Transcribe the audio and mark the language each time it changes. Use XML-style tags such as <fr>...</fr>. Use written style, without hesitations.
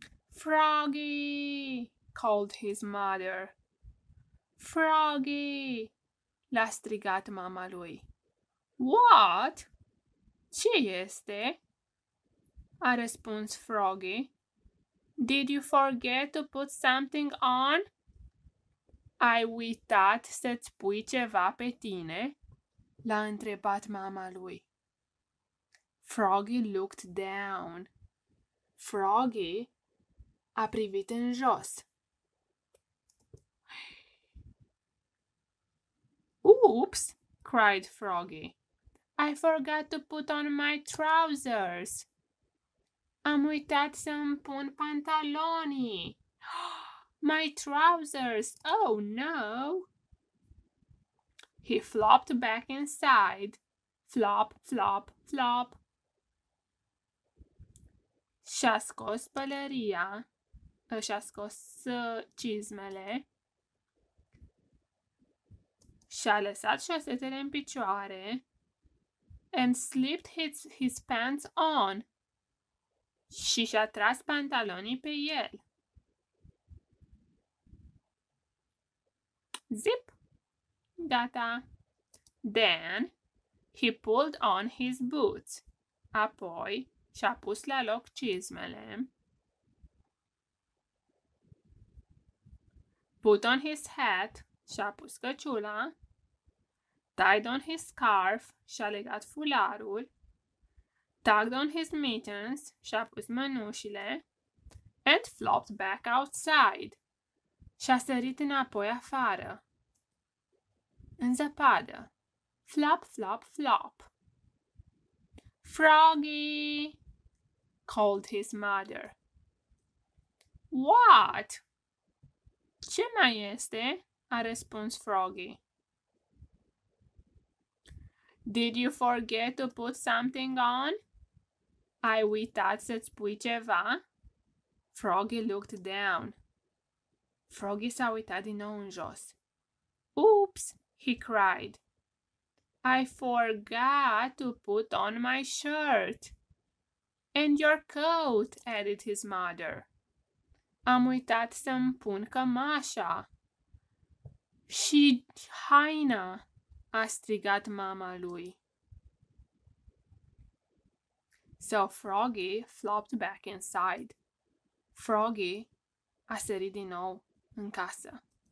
<en>Froggy, called his mother.</en> <ro>Froggy, l-a strigat mama lui.</ro> <en>What?</en> <ro>Ce este? A răspuns Froggy.</ro> <en>Did you forget to put something on?</en> <ro>Ai uitat să-ți pui ceva pe tine? L-a întrebat mama lui.</ro> <en>Froggy looked down.</en> <ro>Froggy a privit în jos.</ro> <en>Oops, cried Froggy. I forgot to put on my trousers.</en> <ro>Am uitat să-mi pun pantalonii.</ro> <en>My trousers! Oh, no! He flopped back inside. Flop, flop, flop.</en> <ro>Și-a scos pălăria. Și-a scos cizmele. Și-a lăsat șosetele în picioare.</ro> <en>And slipped his pants on.</en> <ro>Și și-a tras pantalonii pe el.</ro> <en>Zip!</en> <ro>Gata!</ro> <en>Then, he pulled on his boots.</en> <ro>Apoi, și-a pus la loc cizmele.</ro> <en>Put on his hat,</en> <ro>și-a pus căciula.</ro> <en>Tied on his scarf,</en> <ro>și-a legat fularul.</ro> <en>Tugged on his mittens,</en> <ro>și-a pus mănușile.</ro> <en>And flopped back outside.</en> <ro>Și-a sărit înapoi afară. În zăpadă.</ro> <en>Flop, flop, flop. Froggy, called his mother. What?</en> <ro>Ce mai este? A răspuns Froggy.</ro> <en>Did you forget to put something on?</en> <ro>Ai uitat să-ți pui ceva?</ro> <en>Froggy looked down.</en> <ro>Froggy s-a uitat din nou în jos.</ro> <en>Oops! He cried. I forgot to put on my shirt. And your coat, added his mother.</en> <ro>Am uitat să-mi pun cămașa. Și haina, a strigat mama lui.</ro> <en>So Froggy flopped back inside.</en> <ro>Froggy a sărit din nou în casă.</ro>